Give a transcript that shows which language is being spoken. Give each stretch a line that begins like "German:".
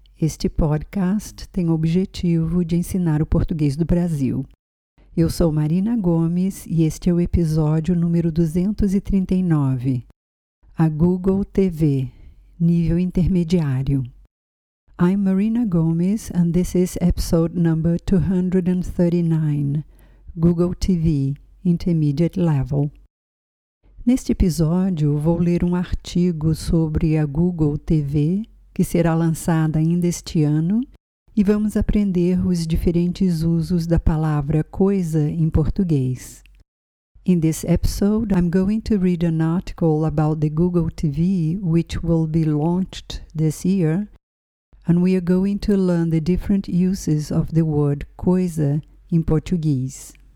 Portuguese: Este podcast tem o objetivo de ensinar o português do Brasil. Eu sou Marina Gomes e este é o episódio número 239. A Google TV, nível intermediário.
English: I'm Marina Gomes and this is episode number 239. Google TV, Intermediate Level.
Portuguese: Neste episódio, vou ler um artigo sobre a Google TV, que será lançada ainda este ano, e vamos aprender os diferentes usos da palavra coisa em português.
English: In this episode, I'm going to read an article about the Google TV, which will be launched this year, and we are going to learn the different uses of the word coisa in Portuguese.